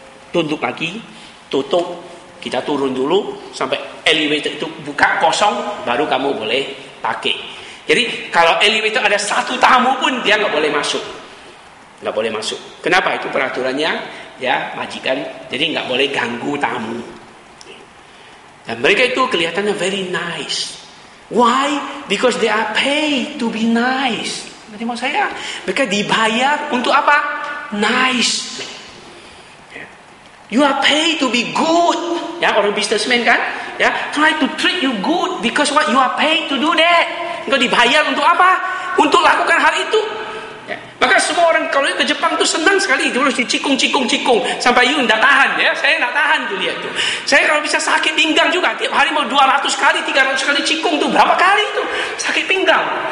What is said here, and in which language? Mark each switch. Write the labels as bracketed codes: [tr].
[id] Tunduk lagi, tutup, kita turun dulu, sampai elevator itu buka kosong, baru kamu boleh pakai. Jadi, kalau elevator ada satu tamu pun, dia enggak boleh masuk. Enggak boleh masuk. Kenapa? Itu peraturannya, ya, majikan. Jadi, enggak boleh ganggu tamu. Dan mereka itu kelihatannya [en] very nice. Why? Because they are paid to be nice. [id] Nanti mau saya, mereka dibayar untuk apa? Nice. [en] You are paid to be good. [id] Ya, orang businessman kan? [en] Ya, try to treat you good because what you are paid to do that. [id] Engkau dibayar untuk apa? Untuk lakukan hal itu. Ya. Maka semua orang kalau ke Jepang itu senang sekali terus dicikung-cikung-cikung sampai you enggak tahan ya. Saya enggak tahan tuh lihat tuh. Saya kalau bisa sakit pinggang juga tiap hari mau 200 kali, 300 kali cikung tuh berapa kali itu sakit pinggang.